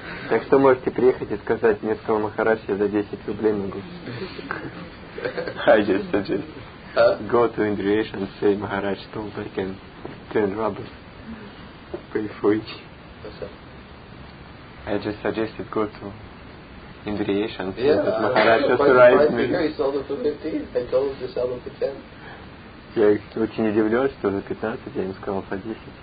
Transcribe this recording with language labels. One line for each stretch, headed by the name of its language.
Russian: Так что можете приехать и сказать, нет, кого Махараш, я за 10 рублей могу.
English: I just suggest. Go to Indriesh and say Maharaj told I can 10 rubles. Pay for each. I just suggested go to Indriesh and say that Maharaj has arrived me. He sold it for 15. I told him to sell it for 10.
Russian: Я очень удивлен, что за 15 я им сказал по 10.